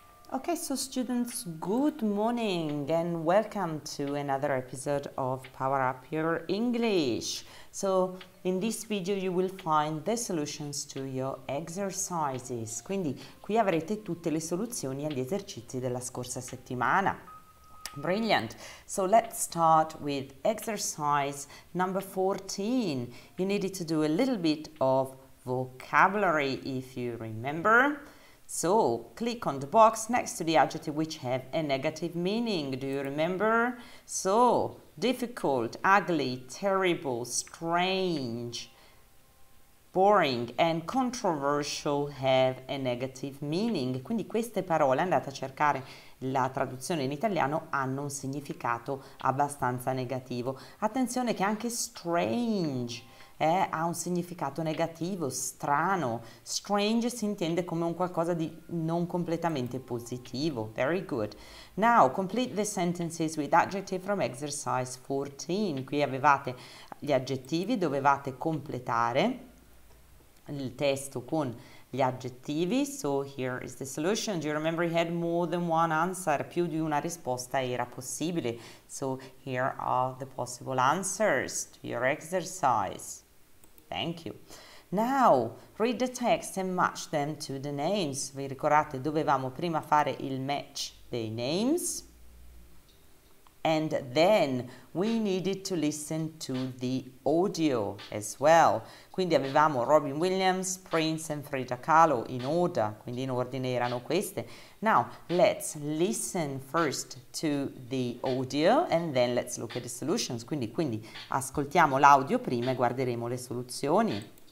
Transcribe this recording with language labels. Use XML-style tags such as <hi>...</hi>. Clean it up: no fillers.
<en>Okay, so students, good morning and welcome to another episode of Power Up Your English. So in this video you will find the solutions to your exercises.</en> <it>Quindi qui avrete tutte le soluzioni agli esercizi della scorsa settimana.</it> <en>Brilliant. So let's start with exercise number 14. You needed to do a little bit of vocabulary if you remember. So, click on the box next to the adjective which have a negative meaning. Do you remember? So, difficult, ugly, terrible, strange, boring and controversial have a negative meaning.</en> <it>Quindi queste parole, andate a cercare la traduzione in italiano, hanno un significato abbastanza negativo. Attenzione che anche strange ha un significato negativo, strano. Strange si intende come un qualcosa di non completamente positivo.</it> <en>Very good. Now, complete the sentences with adjective from exercise 14.</en> <it>Qui avevate gli aggettivi, dovevate completare il testo con gli aggettivi.</it> <en>So here is the solution. Do you remember you had more than one answer?</en> <it>Più di una risposta era possibile.</it> <en>So here are the possible answers to your exercise. Thank you. Now, read the text and match them to the names.</en> <it>Vi ricordate, dovevamo prima fare il match dei names.</it> <en>And then we needed to listen to the audio as well.</en> <it>Quindi avevamo Robin Williams, Prince and Frida Kahlo</it> <en>in order.</en> <it>Quindi in ordine erano queste.</it> <en>Now, let's listen first to the audio and then let's look at the solutions.</en> <it>Quindi ascoltiamo l'audio prima e guarderemo le soluzioni.</it>